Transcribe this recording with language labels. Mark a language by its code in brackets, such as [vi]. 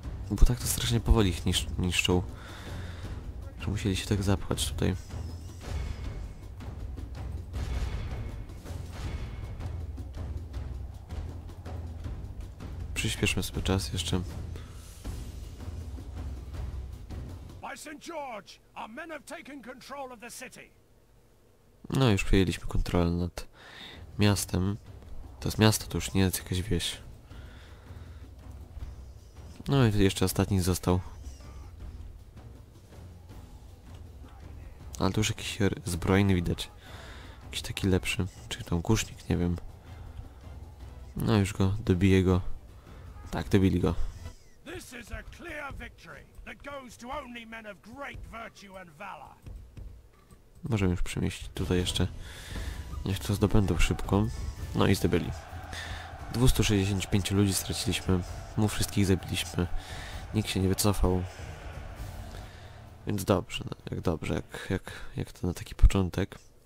[pl] Bo tak to strasznie powoli ich niszczą. Że musieli się tak zapchać tutaj. Przyspieszmy sobie czas jeszcze. [en] By St. George, our men have taken control of the city. [pl] No już przejęliśmy kontrolę nad miastem. To jest miasto, to już nie jest jakaś wieś. No i tu jeszcze ostatni został. Ale tu już jakiś zbrojny widać. Jakiś taki lepszy. Czy tam kusznik, nie wiem. No już go, dobiję go. Tak, dobili go. [en] This is a clear victory that goes to only men of great virtue and valor. [pl] Możemy już przemieścić tutaj jeszcze. Niech to zdobędą szybko. No i zdobyli. 265 ludzi straciliśmy. Mu wszystkich zabiliśmy. Nikt się nie wycofał. Więc dobrze, no, jak dobrze, jak to na taki początek.